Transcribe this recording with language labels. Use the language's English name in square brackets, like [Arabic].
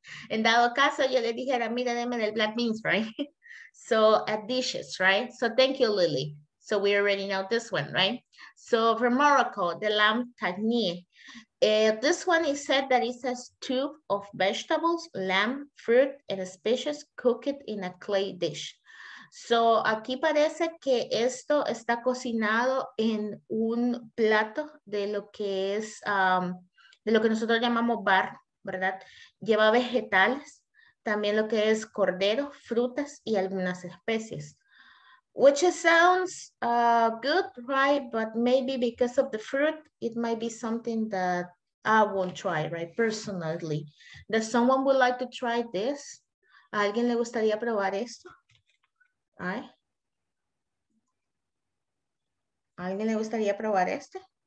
[Spanish] En dado caso, yo le dijera, mira, deme del [English] black beans, right? So, dishes, right? So, thank you, Lily. So, we already know this one, right? So, for Morocco, the lamb tagni. This one is said that it's a stew of vegetables, lamb, fruit, and especies cooked in a clay dish. [Spanish] So, aquí parece que esto está cocinado en un plato de lo que es, de lo que nosotros llamamos bar, ¿verdad? Lleva vegetales, también lo que es cordero, frutas y algunas especies. [English] Which sounds good, right? But maybe because of the fruit, it might be something that I won't try, right? Personally. Does someone would like to try this? [Spanish] ¿A alguien le gustaría probar esto? Right. ¿Alguien le gustaría probar este?